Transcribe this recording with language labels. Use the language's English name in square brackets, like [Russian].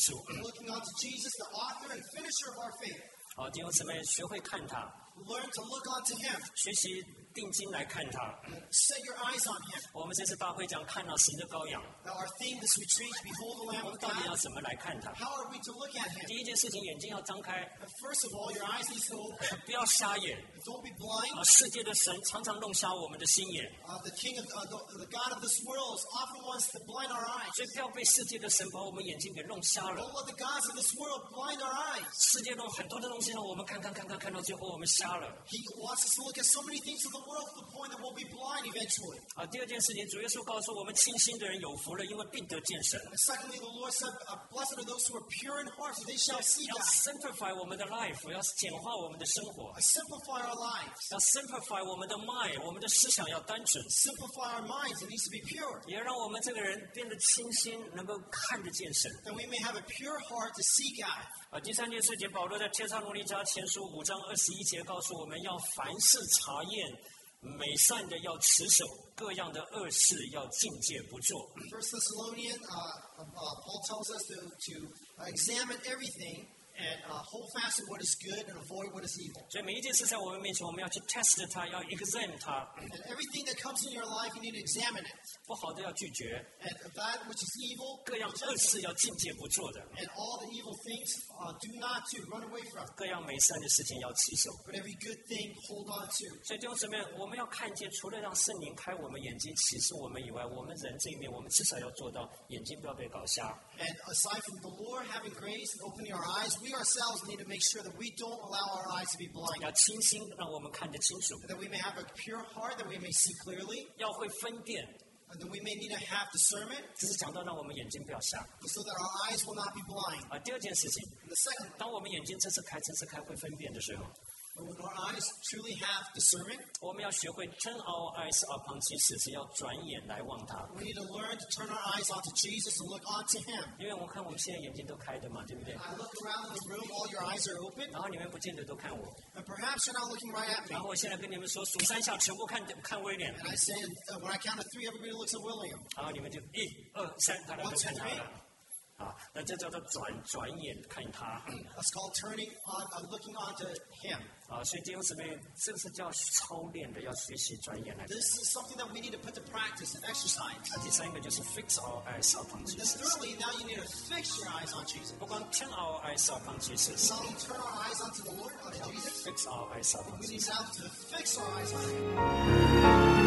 [English] Looking onto Jesus, the author and finisher of our faith. [Chinese] 好，弟兄姊妹，学会看他。 [English] Learn to look onto Him. [Chinese] 学习定睛来看他。 [English] Set your eyes on Him. [Chinese] 我们这次大会讲看到神的羔羊。 [English] Now our theme this retreat, behold the Lamb of God. [Chinese] 我们到底要怎么来看他 [English] ？How are we to look at Him? [Chinese] 第一件事情，眼睛要张开。 [English] First of all, your eyes need to open. [Chinese] 不要瞎眼。 [English] Don't be blind. [Chinese] 世界的神常常弄瞎我们的心眼。 [English] The King of the God of this world often wants to blind our eyes. [Chinese] 所以不要被世界的神把我们眼睛给弄瞎了。 [English] Don't let the gods of this world blind our eyes. [Chinese] 世界弄很多的东西让我们看看看看看到最后我们瞎了。 [English] He wants us to look at so many things in the world. world to the point that we'll be blind eventually. [Chinese] 啊，第二件事情，主耶稣告诉我们，清心的人有福了，因为必得见神。 [English] Secondly, the Lord said, "Blessed are those who are pure in heart, for they shall see God." [Chinese] 要 simplify 我们的 life， 要简化我们的生活。 [English] Simplify our lives. [Chinese] 要 simplify 我们的 mind， 我们的思想要单纯。 [English] Simplify our minds. It needs to be pure. [Chinese] 也让我们这个人变得清心，能够看得见神。 [English] That we may have a pure heart to see God. [Chinese] 啊，第三件事情，保罗在帖撒罗尼迦前书五章二十一节告诉我们要凡事查验，美善的要持守，各样的恶事要禁戒不做。 [English] First Thessalonians, Paul tells us to examine everything and hold fast to what is good and avoid what is evil. [Chinese] 所以每一件事在我们面前，我们要去 test 它，要 examine 它。 [English] And everything that comes in your life, you need to examine it. [Chinese] 不好的要拒绝。 [English] And that which is evil, [Chinese] 各样恶事要禁戒不做的。 [English] And all the evil things, do not to run away from. [Chinese] 各样美善的事情要持守。 [English] But every good thing, hold on to. [Chinese] 所以弟兄姊妹，我们要看见，除了让圣灵开我们眼睛启示我们以外，我们人这一面，我们至少要做到眼睛不要被搞瞎。 [English] And aside from the Lord having grace and opening our eyes, we ourselves need to make sure that we don't allow our eyes to be blind. [Chinese] 要清心，让我们看得清楚。 [English] That we may have a pure heart, that we may see clearly. [Chinese] 要会分辨。 [English] That we may need to have discernment. [Chinese] 就是讲到让我们眼睛不要瞎。 [English] So that our eyes will not be blind. [Chinese] 啊，第二件事情。 [English] And the second. [Chinese] 当我们眼睛真是开，真是开，会分辨的时候。 [English] When our eyes truly have discernment, [Chinese] 我们要学会 [English] turn our eyes upon Jesus， [Chinese] 要转眼来望他。 [English] We need to learn to turn our eyes onto Jesus and look onto Him. [Chinese] 因为我看我们现在眼睛都开的嘛，对不对 [English] ？I look around the room, all your eyes are open. [Chinese] 然后你们不见得都看我。 [English] And perhaps you're not looking right at me. [Chinese] 然后我现在跟你们说，数三下，全部看威廉。 [English] And I say, when I count to three, everybody looks at William. [Chinese] 然后你们就一二三，大家都看他了。那这叫做 转眼看他。 [English] That's called turning on, looking onto him. [Chinese] 啊，所以弟兄姊妹，这是叫操练的，要学习转眼来。 [English] This is something that we need to put to practice and exercise. 啊， [Chinese] 第三个就是 [English] fix our eyes upon Jesus. Thirdly, now you need to fix your eyes on Jesus. [Chinese] 不光 [English] turn our eyes upon Jesus. Not only turn our eyes onto the Lord, onto Jesus. Fix our eyes upon Jesus. We need now to fix our eyes on Him.